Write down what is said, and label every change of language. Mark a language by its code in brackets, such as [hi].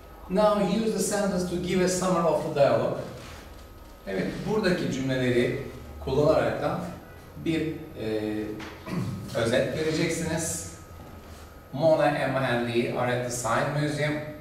[en] Now use the sentence to give a summary of the dialogue. [tr] Evet, buradaki cümleleri kullanarak da bir özet vereceksiniz. [en] Mona, Emma and Lee are at the Science Museum.